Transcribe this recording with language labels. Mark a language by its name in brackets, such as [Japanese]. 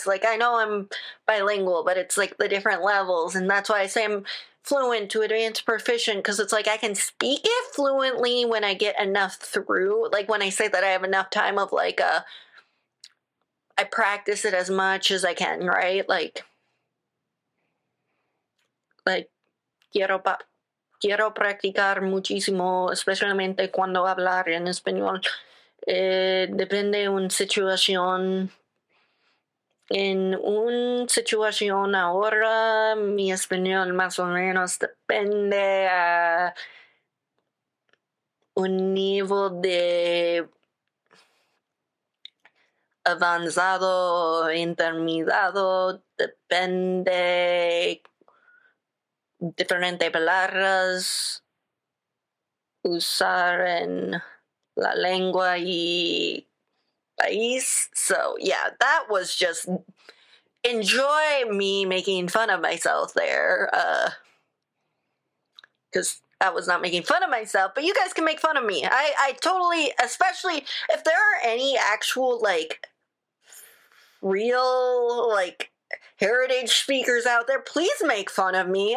[English] Like, I know I'm bilingual, but it's, like, the different levels, and that's why I say I'm fluent to advanced proficient, because it's like I can speak it fluently when I get enough through, like when I say that I have enough time of like I practice it as much as I can, right? Like, [Spanish] like, quiero practicar muchísimo, especialmente cuando hablar en español. Depende de una situación. En una situación ahora, mi español más o menos depende a un nivel de avanzado, intermedio, depende diferentes palabras usar en la lengua y país. [English] So yeah, that was just enjoy me making fun of myself there, because I was not making fun of myself, but you guys can make fun of me. I totally, especially if there are any actual, like, real, like, heritage speakers out there, please make fun of me.